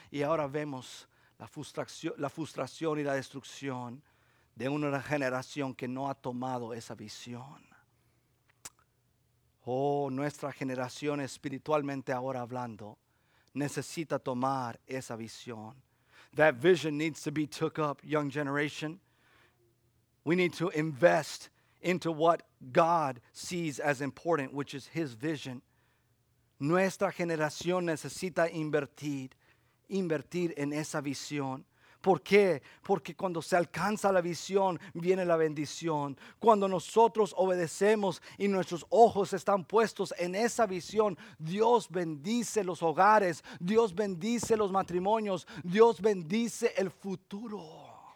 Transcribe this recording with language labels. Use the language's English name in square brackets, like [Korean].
[Spanish] Y ahora vemos la frustración y la destrucción de una generación que no ha tomado esa visión. Oh, nuestra generación, espiritualmente ahora hablando, necesita tomar esa visión. [English] That vision needs to be took up, young generation. We need to invest into what God sees as important, which is His vision. [Spanish] Nuestra generación necesita invertir en esa visión. ¿Por qué? Porque cuando se alcanza la visión, viene la bendición. Cuando nosotros obedecemos y nuestros ojos están puestos en esa visión, Dios bendice los hogares, Dios bendice los matrimonios, Dios bendice el futuro.